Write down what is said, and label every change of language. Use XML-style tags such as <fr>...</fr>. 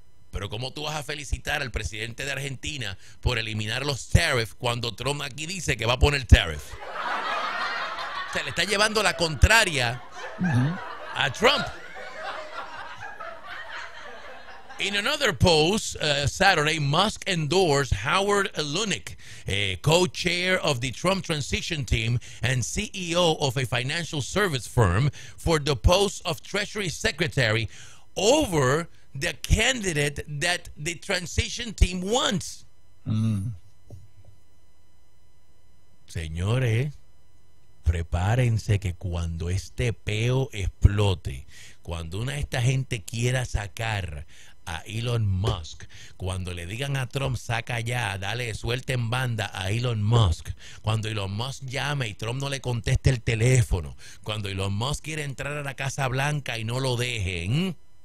<es>Pero ¿cómo tú vas a felicitar al presidente de Argentina por eliminar los tariffs cuando Trump aquí dice que va a poner tariffs? Se le está llevando la contraria a Trump.</es> <en>In another post, Saturday, Musk endorsed Howard Lunick, co-chair of the Trump transition team and CEO of a financial service firm, for the post of Treasury Secretary over the candidate that the transition team wants.</en> <es>Señores, prepárense que cuando este peo explote, cuando una de esta gente quiera sacar a Elon Musk, cuando le digan a Trump, saca ya, dale, suelte en banda a Elon Musk, cuando Elon Musk llame y Trump no le conteste el teléfono, cuando Elon Musk quiere entrar a la Casa Blanca y no lo dejen,</es>